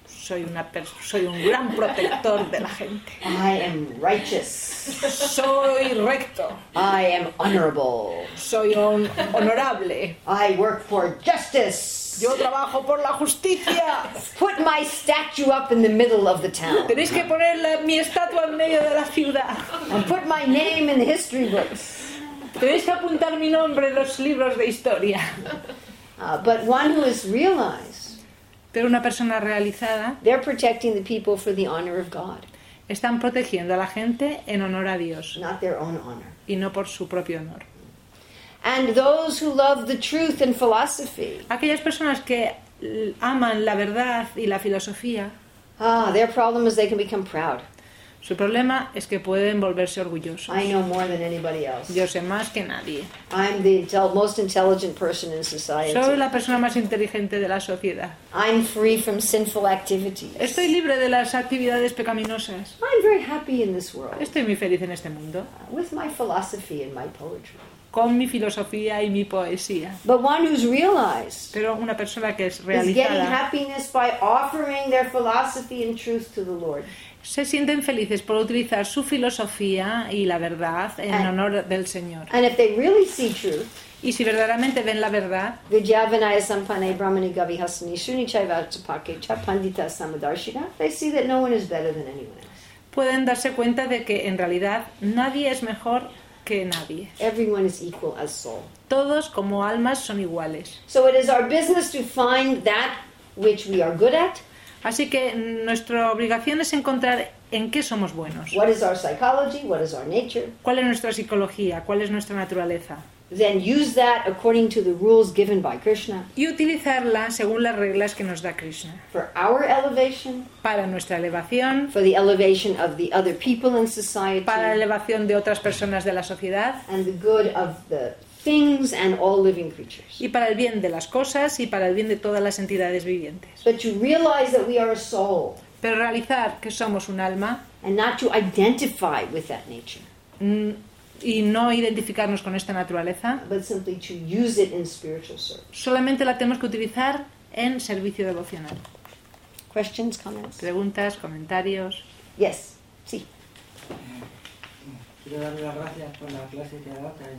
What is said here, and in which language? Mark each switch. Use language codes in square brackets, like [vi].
[es] Soy un gran protector de la gente. [en] I am righteous. [es] Soy recto. [en] I am honorable. [es] Soy honorable. [en] I work for justice. [es] Yo trabajo por la justicia. [en] Put my statue up in the middle of the town. [es] Tenéis que poner mi estatua en medio de la ciudad. [en] And put my name in the history books. [es] Tenéis que apuntar mi nombre en los libros de historia. [en] But one who is realized. [es] Pero una persona realizada. [en] They're protecting the people for the honor of God. [es] Están protegiendo a la gente en honor a Dios. [en] Not their own honor. [es] Y no por su propio honor. [en] And those who love the truth and philosophy. [es] Aquellas personas que aman la verdad y la filosofía. [en] Ah, their problem is they can become proud. [es] Su problema es que pueden volverse orgullosos. [en] I know more than anybody else. [es] Yo sé más que nadie. [en] I'm the most intelligent person in society. [es] Soy la persona más inteligente de la sociedad. [en] I'm free from sinful activities. [es] Estoy libre de las actividades pecaminosas. [en] I'm very happy in this world. [es] Estoy muy feliz en este mundo. [en] With my philosophy and my poetry. [es] Con mi filosofía y mi poesía. [en] But one who's realized, [es] pero una persona que es realizada, [en] is getting happiness by offering their philosophy and truth to the Lord. [es] Se sienten felices por utilizar su filosofía y la verdad en honor del Señor. [en] And if they really see truth, [es] y si verdaderamente ven la verdad, [sa] Vidyavinaya sampanne brahmani gavi hasani shuni chai vatsapake cha pandita samadarshina, [en] they see that no one is better than anyone else. [es] Pueden darse cuenta de que en realidad nadie es mejor que nadie. [en] Everyone is equal as soul. [es] Todos como almas son iguales. [en] So it is our business to find that which we are good at. [es] Así que nuestra obligación es encontrar en qué somos buenos. [en] What is our psychology? What is our nature? [es] ¿Cuál es nuestra psicología? ¿Cuál es nuestra naturaleza? [en] Then use that according to the rules given by Krishna. [es] Y utilizarla según las reglas que nos da Krishna. [en] For our elevation. [es] Para nuestra elevación. [en] For the elevation of the other people in society. [es] Para la elevación de otras personas de la sociedad. [en] And the good of the things and all living creatures. [es] Y para el bien de las cosas y para el bien de todas las entidades vivientes. [en] But to realize that we are a soul. [es] Pero realizar que somos un alma. [en] And not to identify with that nature. [es] Y no identificarnos con esta naturaleza. [en] But simply to use it in spiritual service. [es] Solamente la tenemos que utilizar en servicio devocional. [en] Questions, comments. [es] Preguntas, comentarios. [en] Yes. Sí. [es] Quiero darle las gracias por la clase que ha dado.